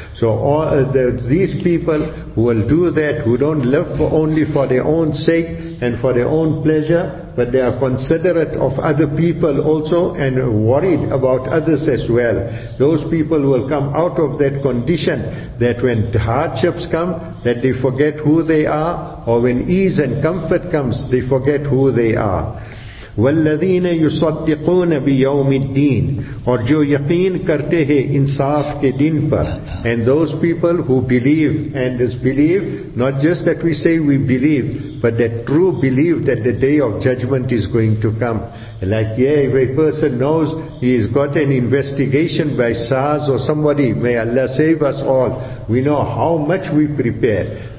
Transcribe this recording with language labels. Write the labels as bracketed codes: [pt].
[en] So these people who will do that, who don't live for only for their own sake and for their own pleasure, but they are considerate of other people also and worried about others as well. Those people will come out of that condition, that when hardships come, that they forget who they are, or when ease and comfort comes, they forget who they are. [ar] وَالَّذِينَ يُصَدِّقُونَ بِيَوْمِ الدِّينِ [ur] اور جو یقین کرتے ہیں انصاف کے دن پر. [en] And those people who believe, and this belief, not just that we say we believe, but that true belief that the day of judgment is going to come. Like, yeah, if a person knows he has got an investigation by SARS or somebody, may Allah save us all, we know how much we prepare.